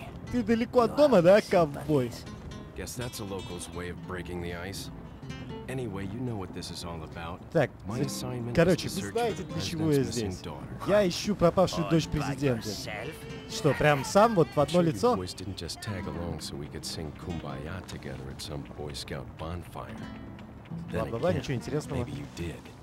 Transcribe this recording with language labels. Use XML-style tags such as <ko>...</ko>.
<ru>Ты далеко от дома, да, ковбой?</ru> <en>Guess that's a local's way of breaking the ice. Anyway, you know what this is all about. Так, my assignment.</en> <ru>Короче, вы знаете, для чего я здесь? Я ищу пропавшую дочь президента. Что, прям сам вот в одно лицо?</ru> <en>Boys didn't just tag along so we could sing kumbaya together at some Boy Scout bonfire.</en> <ru>Бла-бла-бла, ничего интересного.</ru> <en>Maybe you did.</en>